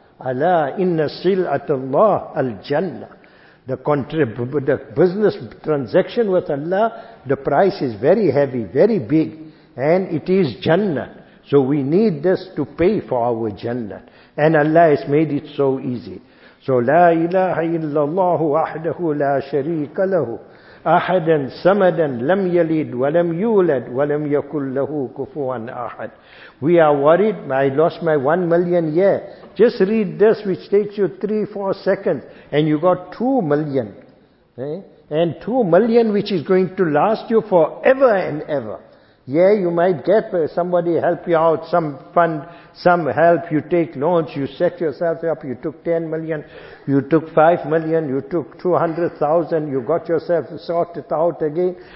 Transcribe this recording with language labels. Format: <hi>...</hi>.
<ar>Ala inna sil'atallahi al-jannah.</ar> <en>The business transaction with Allah, the price is very heavy, very big, and it is Jannah. So we need this to pay for our Jannah. And Allah has made it so easy. So,</en> <ar>La ilaha illallahu ahdahu la sharika lahu. أحداً سمداً لم يلد ولم يولد ولم يكن له كفواً أحد.</ar> <en>We are worried, I lost my 1 million year. Just read this, which takes you 3-4 seconds, and you got 2 million. And 2 million which is going to last you forever and ever. Yeah, you might get somebody help you out, some fund, some help, you take loans, you set yourself up, you took 10 million, you took 5 million, you took 200,000, you got yourself sorted out again.</en>